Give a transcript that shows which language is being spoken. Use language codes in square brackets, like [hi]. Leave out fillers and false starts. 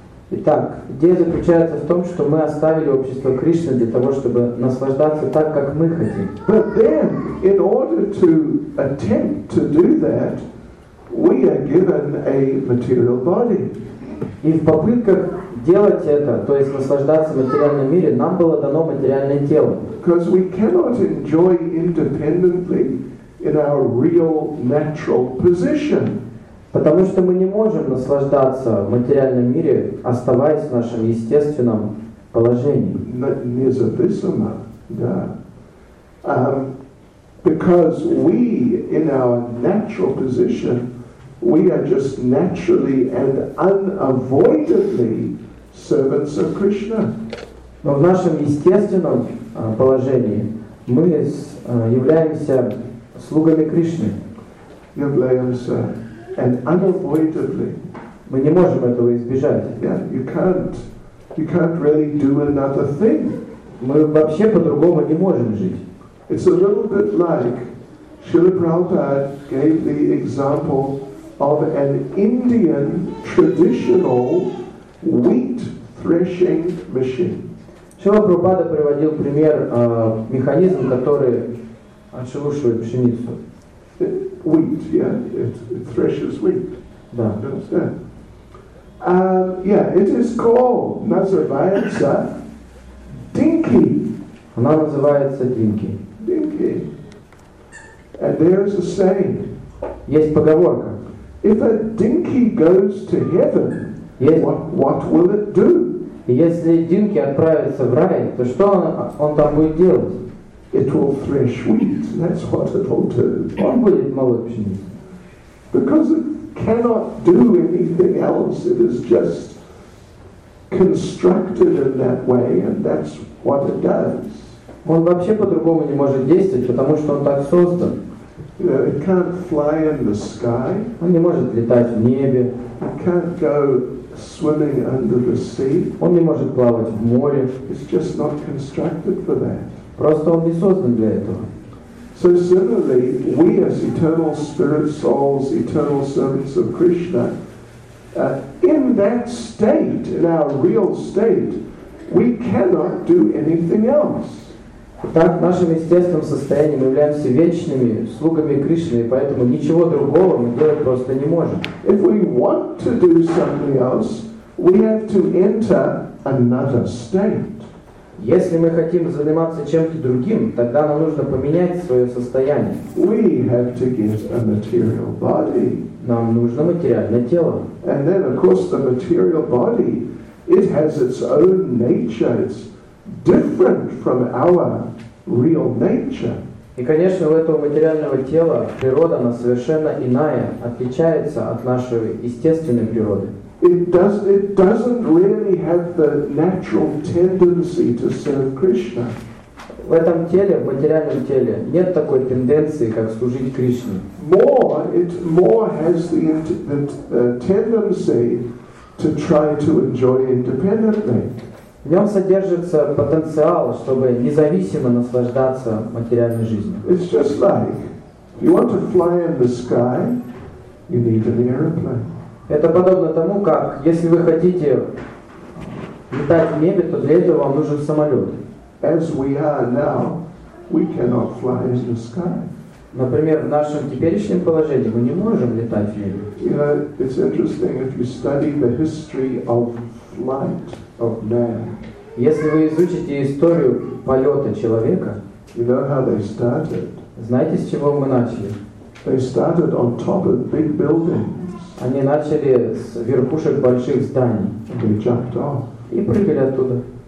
[ru] Итак, идея заключается в том, что мы оставили общество Кришны для того, чтобы наслаждаться так, как мы хотим. [en] But then, in order to attempt to do that, we are given a material body. [ru] И в попытках делать это, то есть наслаждаться материальным миром, нам было дано материальное тело. [en] Because we cannot enjoy independently in our real natural position. [ru] Потому что мы не можем наслаждаться в материальном мире, оставаясь в нашем естественном положении. Независимо, да. [en] Because we, in our natural position, we are just naturally and unavoidably servants of Krishna. [ru] Но в нашем естественном положении мы являемся слугами Кришны. Являемся. [en] And unavoidably, [ru] мы не можем этого избежать. [en] Yeah, you can't really do another thing. [ru] Мы вообще по-другому не можем жить. [en] It's a little bit like Srila Prabhupada gave the example of an Indian traditional wheat threshing machine. [ru] Srila Prabhupada приводил пример механизм, который отшелушивает пшеницу. [en] Wheat, yeah, it threshes wheat. [ru] Да. [en] Yeah, it is called [ru] называется [en] Dinky. [ru] Она называется Dinky. [en] Dinky. And there is a saying. [ru] Есть поговорка. [en] If a Dinky goes to heaven, what will it do? [ru] Если Dinky отправится в рай, то что он там будет делать? [en] It will thresh wheat. That's what it will do. [ru] Он будет молоть пшеницу. [en] Because it cannot do anything else. It is just constructed in that way, and that's what it does. [ru] Он вообще по-другому не может действовать, потому что он так создан. [en] You know, it can't fly in the sky. [ru] Он не может летать в небе. [en] It can't go swimming under the sea. [ru] Он не может плавать в море. [en] It's just not constructed for that. [ru] Просто он не создан для этого. [en] So similarly, we as eternal spirit souls, eternal servants of Krishna, in that state, in our real state, we cannot do anything else. [ru] Так, в нашем естественном состоянии мы являемся вечными слугами Кришны, и поэтому ничего другого мы делать просто не можем. [en] If we want to do something else, we have to enter another state. [ru] Если мы хотим заниматься чем-то другим, тогда нам нужно поменять свое состояние. [en] We have to get a material body. [ru] Нам нужно материальное тело. [en] And then, of course, the material body, it has its own nature. It's different from our real nature. [ru] И, конечно, у этого материального тела природа, она совершенно иная, отличается от нашей естественной природы. [en] It doesn't really have the natural tendency to serve Krishna. [ru] В этом теле, в материальном теле, нет такой тенденции, как служить Кришне. [en] It more has the tendency to try to enjoy independently. [ru] В нем содержится потенциал, чтобы независимо наслаждаться материальной жизнью. [en] It's just like you want to fly in the sky, you need an airplane. [ru] Это подобно тому, как если вы хотите летать в небе, то для этого вам нужен самолет. [en] As we are now, we cannot fly in the sky. [ru] Например, в нашем теперешнем положении мы не можем летать в небе. [en] You know, it's interesting if you study the history of flight of man. [ru] Если вы изучите историю полета человека, [en] you know how they started. [ru] Знаете, с чего мы начали? [en] They started on top of big buildings. [ru] Они начали с верхушек больших зданий. [en] And they jumped off. [ru] И прыгали оттуда.